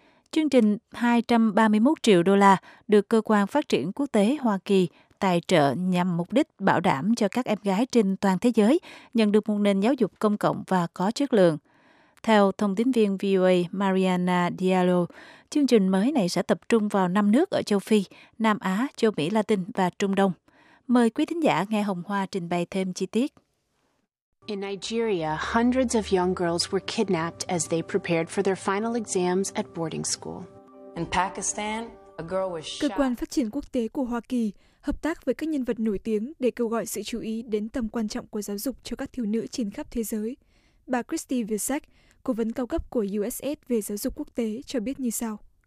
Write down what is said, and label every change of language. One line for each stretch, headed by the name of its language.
Vietnamese: Chương trình 231 triệu đô la được Cơ quan Phát triển Quốc tế Hoa Kỳ tài trợ nhằm mục đích bảo đảm cho các em gái trên toàn thế giới nhận được một nền giáo dục công cộng và có chất lượng. Theo thông tín viên VOA Mariana Diallo, chương trình mới này sẽ tập trung vào 5 nước ở châu Phi, Nam Á, châu Mỹ Latin và Trung Đông. Mời quý thính giả nghe Hồng Hoa trình bày thêm chi tiết.
English: In Nigeria, hundreds of young girls were kidnapped as they prepared for their final exams at boarding school. In Pakistan, a girl was shot.
Vietnamese: Cơ quan phát triển quốc tế của Hoa Kỳ hợp tác với các nhân vật nổi tiếng để kêu gọi sự chú ý đến tầm quan trọng của giáo dục cho các thiếu nữ trên khắp thế giới. Bà Christy Visek, cố vấn cao cấp của USAID về giáo dục quốc tế, cho biết như sau.